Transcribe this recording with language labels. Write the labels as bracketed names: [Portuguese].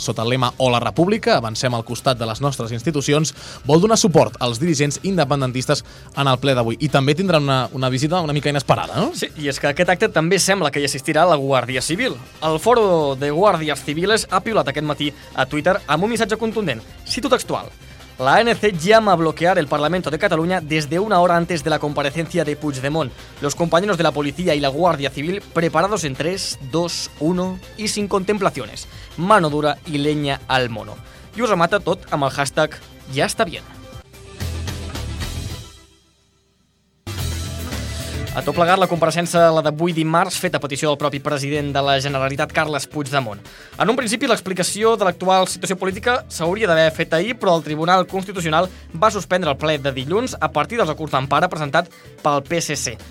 [Catalan] Sota el lema "O la República, avancem al costat de les nostres institucions", vol donar suport als dirigents independentistes en el ple d'avui. I també tindran una visita una mica inesperada, no? Sí, i és que aquest acte també sembla que hi assistirà la Guàrdia Civil. El Foro de Guàrdies Civiles ha piulat aquest matí a Twitter amb un missatge contundent. Cito textual. [Spanish] La ANC llama a bloquear el Parlamento de Cataluña desde una hora antes de la comparecencia de Puigdemont. Los compañeros de la policía y la Guardia Civil preparados en 3, 2, 1 y sin contemplaciones. Mano dura y leña al mono. [Catalan] Y us remata tot amb el hashtag Ya está bien. A tot plegat, la compareixença la d'avui dimarts, feta a petició del propi president de la Generalitat, Carles Puigdemont. En un principi, l'explicació de l'actual situació política s'hauria d'haver fet ahir, però el Tribunal Constitucional va suspendre el ple de dilluns a partir dels recursos d'empara presentat pel PSC.